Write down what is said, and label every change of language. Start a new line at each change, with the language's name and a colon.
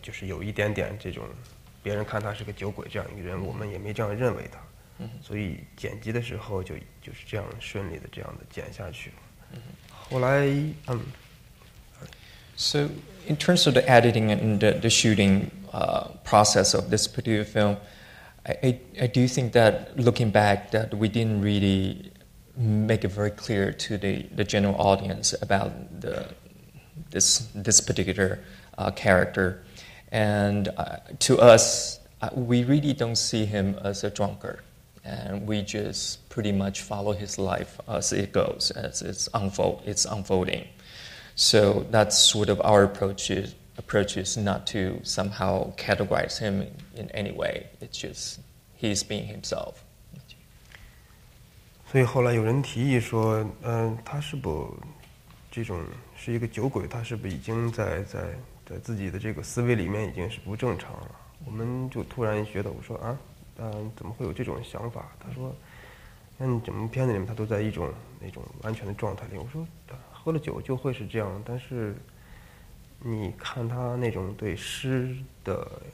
Chinese: 剪辑的时候，我们其实这个剪辑上，后来我们看也可能是对大众有点不是交代的太明白的这个，因为我们本身做片子的时候，就没把它当成是一个，就是有一点点这种。别人看他是个酒鬼这样一个人，我们也没这样认为他，所以剪辑的时候就是这样顺利的这样的剪下去。后来，
English: So in terms of the editing and the shooting process of this particular film, I do think that looking back that we didn't really make it very clear to the general audience about this particular character, and to us. We really don't see him as a drunkard, and we just pretty much follow his life as it goes, as it's unfolding. So that's sort of our approach is not to somehow categorize him in any way. It's just he's being himself.
Chinese: 所以后来有人提议说, 他是不这种是一个酒鬼，他是不已经在自己的这个思维里面已经是不正常了。我们就突然学到，我说啊，怎么会有这种想法？他说，那你怎么片子里面他都在一种完全的状态里？我说，喝了酒就会是这样。但是你看他那种对诗的，